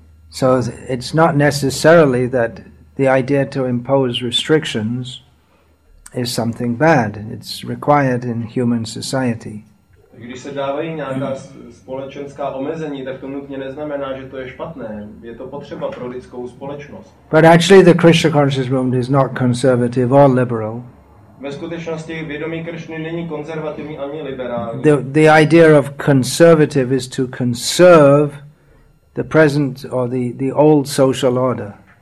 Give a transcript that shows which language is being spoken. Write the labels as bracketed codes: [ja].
[en] So it's not necessarily that the idea to impose restrictions is something bad. It's required in human society. [cs] Když se dávají nějaká společenská omezení, tak to nutně neznamená, že to je špatné. Je to potřeba pro lidskou společnost. [en] But actually the Krishna consciousness movement is not conservative or liberal. [cs] Ve skutečnosti vědomí Krishny není konzervativní ani liberální. [en] The idea of conservative is to conserve the present or the old social order.